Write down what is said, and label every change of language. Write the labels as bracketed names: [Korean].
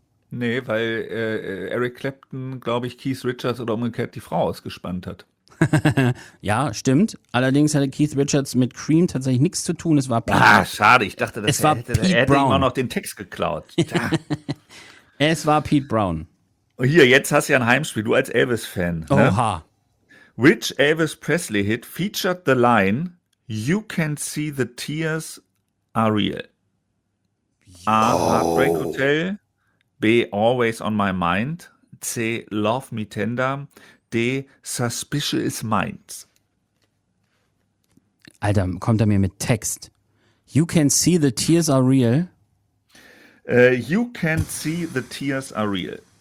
[German] Nee, weil Eric Clapton, glaube ich, Keith Richards oder umgekehrt die Frau ausgespannt hat. Ja, stimmt. Allerdings hatte Keith Richards mit Cream tatsächlich nichts zu tun. Es war Schade, ich dachte, dass er hätte Brown immer noch den Text geklaut. Es war Pete Brown. Hier, jetzt hast du ja ein Heimspiel, du als Elvis-Fan. Oha. [English] Which Elvis Presley hit featured the line "You can see the tears are real"? A. Heartbreak Hotel, B. Always on my mind, C. Love me tender, D. Suspicious Minds. [German] Alter, kommt er mir mit Text? [English] You can see the tears are real. You can see the tears are real.